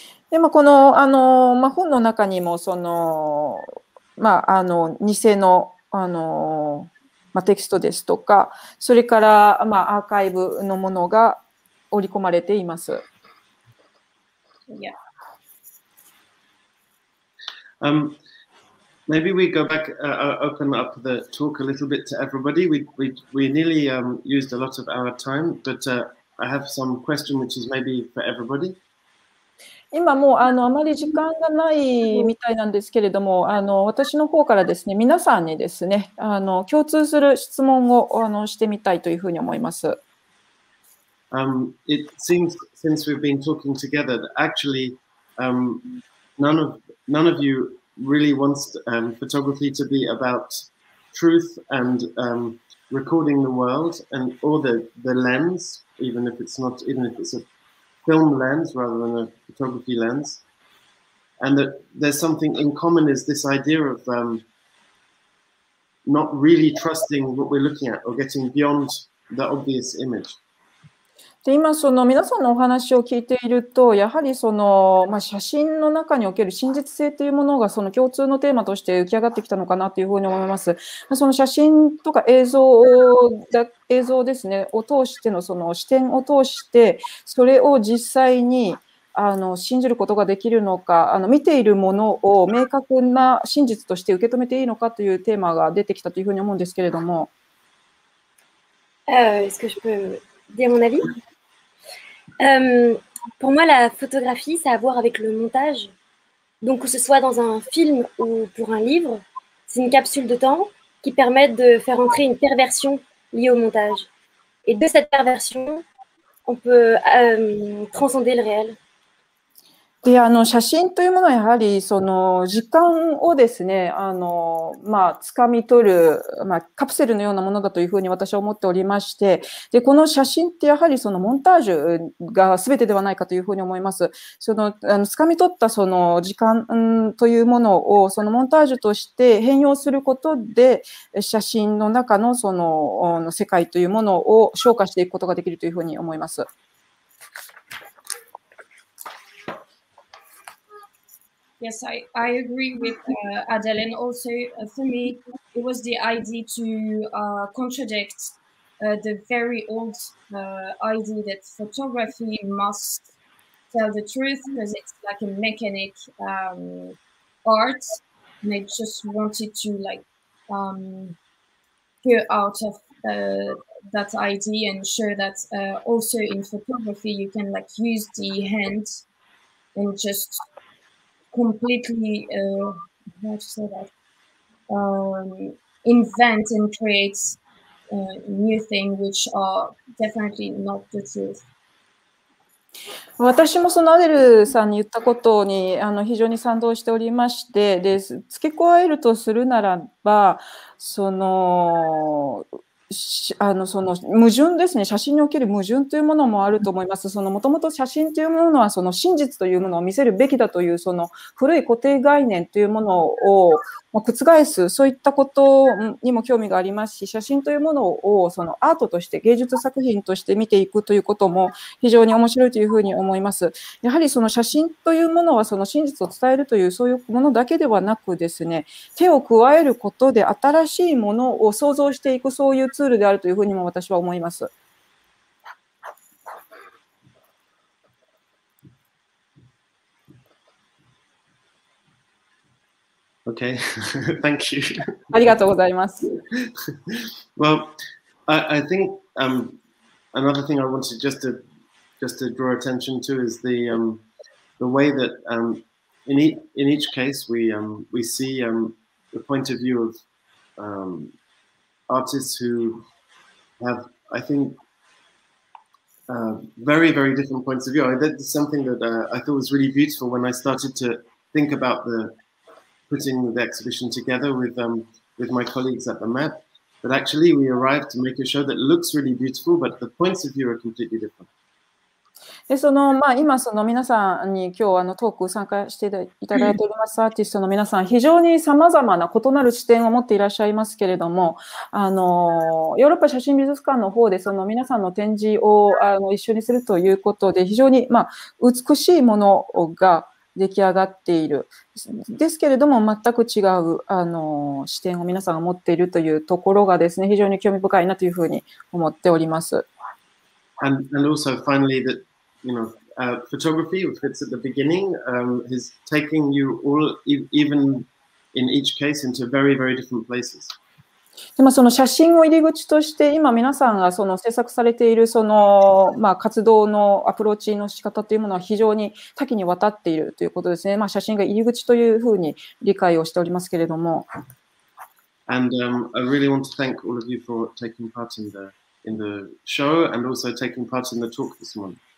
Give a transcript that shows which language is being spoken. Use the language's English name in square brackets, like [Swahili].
[Japanese] でもこの本の中にもそのまあ偽のまあ、テキストですとか、それから、まあ、アーカイブのものが織り込まれています。 [English] Yeah. Maybe we go back, open up the talk a little bit to everybody. We nearly used a lot of our time, but I have some question which is maybe for everybody. [Japanese] 今もあまり時間がないみたいなんですけれども、私の方からですね、皆さんにですね、共通する質問をしてみたいというふうに思います。 [English] It seems since we've been talking together that actually none of you really wants photography to be about truth and recording the world and or the lens, even if it's a film lens rather than a photography lens. And that there's something in common is this idea of not really trusting what we're looking at or getting beyond the obvious image. [Japanese] で今その皆さんのお話を聞いているとやはりその、まあ、写真の中における真実性というものがその共通のテーマとして浮き上がってきたのかなというふうに思います。その写真とか映像ですねを通してのその視点を通してそれを実際にあの信じることができるのかあの見ているものを明確な真実として受け止めていいのかというテーマが出てきたというふうに思うんですけれども [French] Est-ce que je peux dire mon avis? Pour moi, la photographie, ça a à voir avec le montage. Donc, que ce soit dans un film ou pour un livre, c'est une capsule de temps qui permet de faire entrer une perversion liée au montage. Et de cette perversion, on peut transcender le réel. [Japanese] で、あの、写真というものはやはり、その、時間をですね、あの、まあ、掴み取る、まあ、カプセルのようなものだというふうに私は思っておりまして、で、この写真ってやはりその、モンタージュが全てではないかというふうに思います。その、あの、掴み取ったその、時間、うん、というものを、その、モンタージュとして変容することで、写真の中のその、世界というものを消化していくことができるというふうに思います。 [English] Yes, I agree with Adele, and also for me, it was the idea to contradict the very old idea that photography must tell the truth because it's like a mechanic art, and I just wanted to like get out of that idea and show that also in photography you can like use the hand and just. Completely, how to say that, invent and create new things which are definitely not the truth. [Japanese] 私もそのアデルさんに言ったことにあの非常に賛同しておりまして、で、付け加えるとするならば、その、あのその矛盾ですね、写真における矛盾というものもあると思います。そのもともと写真というものはその真実というものを見せるべきだというその古い固定概念というものを覆す、そういったことにも興味がありますし、写真というものをそのアートとして、芸術作品として見ていくということも非常に面白いというふうに思います。やはりその写真というものはその真実を伝えるというそういうものだけではなくですね、手を加えることで新しいものを想像していく、そういうツールであるというふうにも私は思います。 [English] Okay, thank you. [Japanese] ありがとうございます。 [English] Well, I think another thing I wanted just to draw attention to is the way that in each case we see the point of view of artists who have I think very very different points of view. That's something that I thought was really beautiful when I started to think about putting the exhibition together with my colleagues at the MAP, but actually we arrived to make a show that looks really beautiful, but the points of view are completely different. [Japanese] でそのまあ、今その皆さんに今日あのトーク参加していただいておりますアーティストの皆さん非常にさまざまな異なる視点を持っていらっしゃいますけれどもあのヨーロッパ写真美術館の方でその皆さんの展示をあの一緒にするということで非常にまあ美しいものが出来上がっているですけれども全く違うあの視点を皆さんが持っているというところがですね非常に興味深いなというふうに思っております。 [English] And also finally that you know photography which fits at the beginning is taking you all even in each case into very very different places. [Japanese] でまあその写真を入り口として今皆さんがその制作されているそのまあ活動のアプローチの仕方というものは非常に多岐にわたっているということですね。まあ写真が入り口というふうに理解をしておりますけれども。 [English] And I really want to thank all of you for taking part in the. In the show and also taking part in the talk this morning.